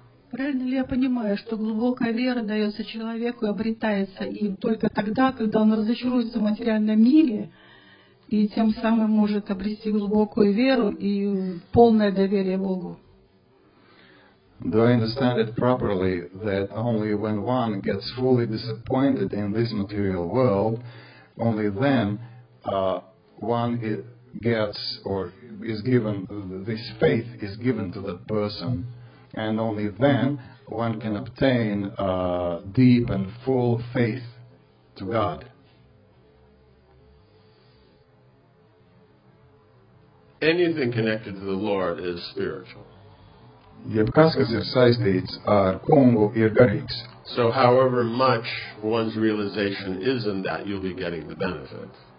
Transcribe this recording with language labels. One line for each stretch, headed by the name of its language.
Russian: Правильно ли я понимаю, что глубокая вера дается человеку и обретается им только тогда, когда он разочаруется в материальном мире, и тем самым может обрести глубокую веру и полное доверие Богу?
English: Do I understand it properly that only when one gets fully disappointed in this material world, only then one gets or is given, this faith is given to that person, and only then one can obtain deep and full faith to God? Anything connected to the Lord is spiritual.
Latvian: Jebkas, kas ir saistīts ar kungu, ir garīgs.
English: So however much one's realization is in that, you'll be getting the benefit.